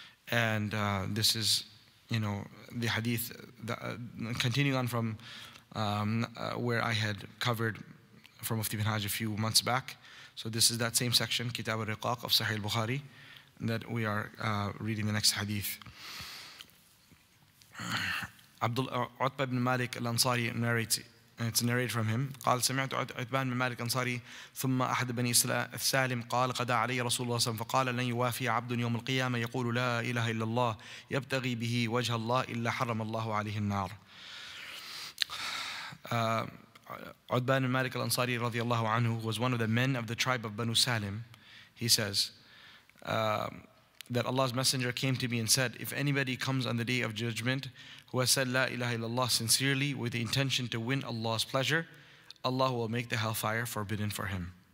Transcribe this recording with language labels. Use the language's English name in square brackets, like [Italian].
[English] And this is, you know, the hadith that, continuing on from where I had covered from Mufti bin Hajj a few months back. So this is that same section, Kitab al-Riqaq of Sahih al-Bukhari, that we are reading the next hadith. Utbah ibn Malik al-Ansari narrates, and it's narrated from him. [Arabic] قال سمعت عتبان بن مالك الأنصاري ثم أحد بني سالم قال قدا علي رسول الله صلى الله عليه وسلم فقال لن يوافي عبد يوم القيامة يقول لا إله إلا الله يبتغي به وجه الله إلا حرم الله عليه النار. [English] Utbah ibn Malik al-Ansari [Arabic] رضي الله عنه [English] was one of the men of the tribe of Banu Salim. He says that Allah's Messenger came to me and said, if anybody comes on the Day of Judgment who has said La ilaha illallah sincerely with the intention to win Allah's pleasure, Allah will make the hellfire forbidden for him.